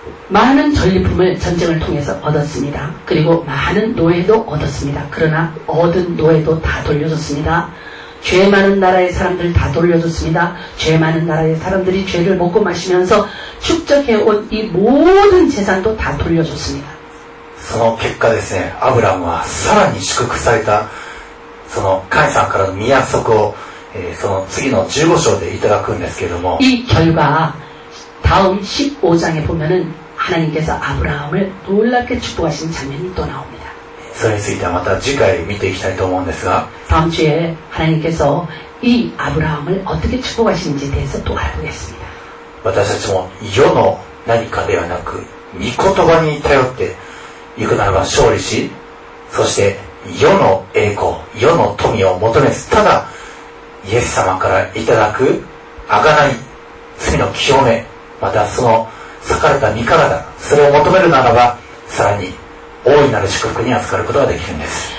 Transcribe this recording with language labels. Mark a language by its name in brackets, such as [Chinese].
[Korean] 많은전리품을전쟁을통해서얻었습니다그리고많은노예도얻었습니다그러나얻은노예도다돌려줬습니다죄많은나라의사람들다돌려줬습니다죄많은나라의사람들이죄를먹고마시면서축적해온이모든재산도다돌려줬습니다 [Japanese] その結果ですね아브라함は更に祝福されたその神様からの御約束をその次の15章でいただくんですけれども [Korean] 이결과다음15장에보면은하나님께서아브라함을놀랍게축복하신장면이또나옵니다 [Japanese] それについてはまた次回見ていきたいと思うんですが [Korean] 다음주에하나님께서이아브라함을어떻게축복하시는지에대해서또알아보겠습니다 [Japanese] 私たちも世の何かではなく御言葉に頼っていくならば勝利しそして世の栄光世の富を求めずただイエス様からいただく贖い罪の清めまたその裂かれた身体それを求めるならばさらに大いなる祝福に預かることができるんです